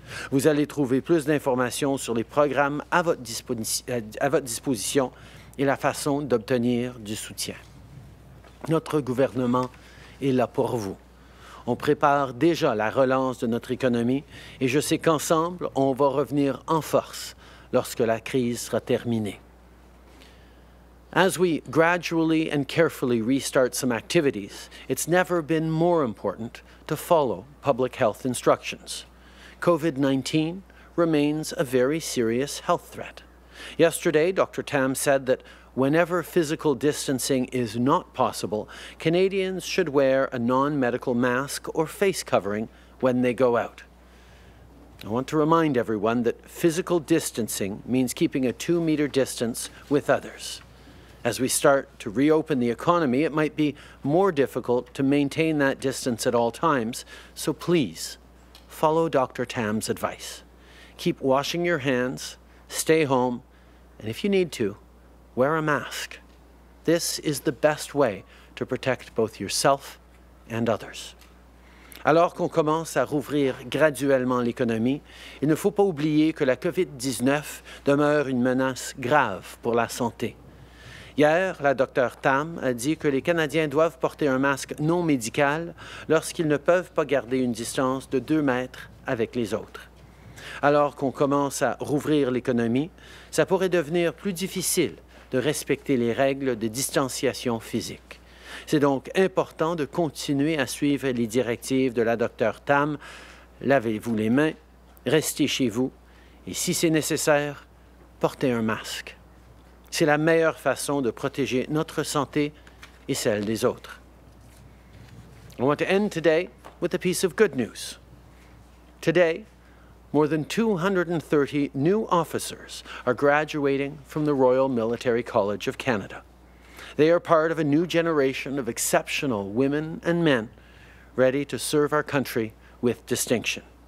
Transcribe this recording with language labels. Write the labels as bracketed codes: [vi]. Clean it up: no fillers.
[fr] Vous allez trouver plus d'informations sur les programmes à votre disposition et la façon d'obtenir du soutien. Notre gouvernement est là pour vous. On prépare déjà la relance de notre économie et je sais qu'ensemble, on va revenir en force lorsque la crise sera terminée. [en] As we gradually and carefully restart some activities, it's never been more important to follow public health instructions. COVID-19 remains a very serious health threat. Yesterday, Dr. Tam said that whenever physical distancing is not possible, Canadians should wear a non-medical mask or face covering when they go out. I want to remind everyone that physical distancing means keeping a 2-meter distance with others. As we start to reopen the economy, it might be more difficult to maintain that distance at all times, so please, follow Dr. Tam's advice. Keep washing your hands, stay home, and if you need to, wear a mask. This is the best way to protect both yourself and others. [fr] Alors qu'on commence à rouvrir graduellement l'économie, il ne faut pas oublier que la COVID-19 demeure une menace grave pour la santé. Hier, la Dr. Tam a dit que les Canadiens doivent porter un masque non médical lorsqu'ils ne peuvent pas garder une distance de 2 mètres avec les autres. Alors qu'on commence à rouvrir l'économie, ça pourrait devenir plus difficile de respecter les règles de distanciation physique. C'est donc important de continuer à suivre les directives de la Dr. Tam. Lavez-vous les mains, restez chez vous et si c'est nécessaire, portez un masque. C'est la meilleure façon de protéger notre santé et celle des autres. [en] I want to end today with a piece of good news. Today, more than 230 new officers are graduating from the Royal Military College of Canada. They are part of a new generation of exceptional women and men ready to serve our country with distinction.